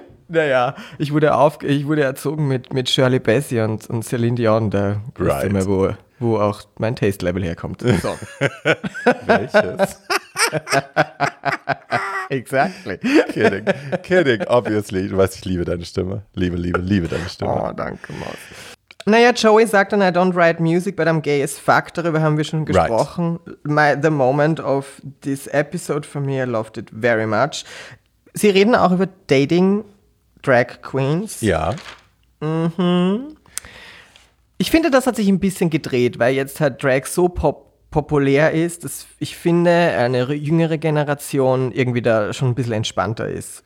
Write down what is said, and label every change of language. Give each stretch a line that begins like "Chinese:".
German: Naja, ich wurde erzogen mit Shirley Bassey und Celine Dion. Da wusste ich immer, wo auch mein Taste-Level herkommt. So. Welches?
English: Exactly. Kidding, obviously.
German: Du weißt, ich liebe deine Stimme. Liebe deine Stimme. Oh, danke, Maus. Naja, Joey sagt dann,
English: I don't write music, but I'm gay as fuck.
German: Darüber haben wir schon gesprochen.
English: The moment of this episode for me, I loved it very much.
German: Sie reden auch über Dating Drag Queens. Ja. Mhm. Ich finde, das hat sich ein bisschen gedreht, weil jetzt halt Drag so populär ist, dass ich finde, eine jüngere Generation irgendwie da schon ein bisschen entspannter ist.